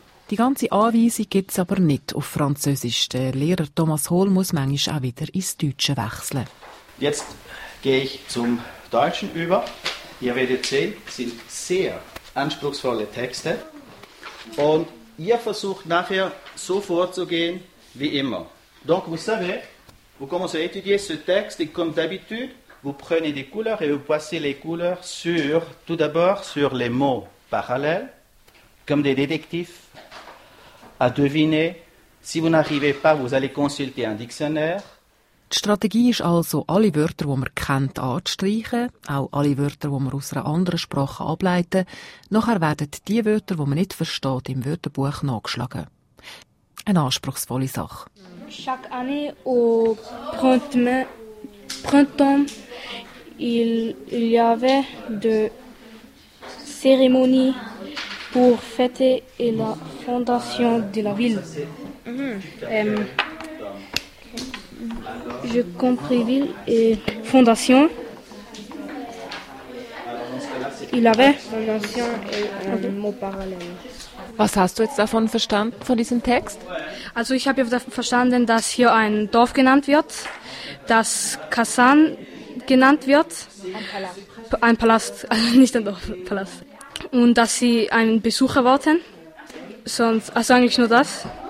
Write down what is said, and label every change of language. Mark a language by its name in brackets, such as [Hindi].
[German] Die ganze Anweisung gibt es aber nicht auf Französisch. Der Lehrer Thomas Hohl muss manchmal auch wieder ins Deutsche wechseln. Jetzt gehe ich zum Deutschen über. Ihr werdet sehen, es sind sehr anspruchsvolle Texte. Und ihr versucht nachher so vorzugehen wie immer. [French] Donc, vous savez, vous commencez à étudier ce texte, comme d'habitude. Vous prenez des couleurs et vous passez les couleurs sur, tout d'abord, sur les mots parallèles, comme des détectives, à deviner. Si vous n'arrivez pas, vous allez consulter un dictionnaire. [German] Die Strategie ist also, alle Wörter, die man kennt, anzustreichen, auch alle Wörter, die man aus einer anderen Sprache ableiten. Nachher werden die Wörter, die man nicht versteht, im Wörterbuch nachgeschlagen. Eine anspruchsvolle Sache. [French] Chaque année au printemps, printemps, il y avait de cérémonies pour fêter et la fondation de la ville. Je compris ville et fondation. Il avait fondation et mot parallèle. [German] Was hast du jetzt davon verstanden, von diesem Text? Also ich habe ja verstanden, dass hier ein Dorf genannt wird, dass Kasan genannt wird, ein Palast, also nicht ein Dorfpalast. Und dass sie einen Besuch erwarten, sonst, also eigentlich nur das.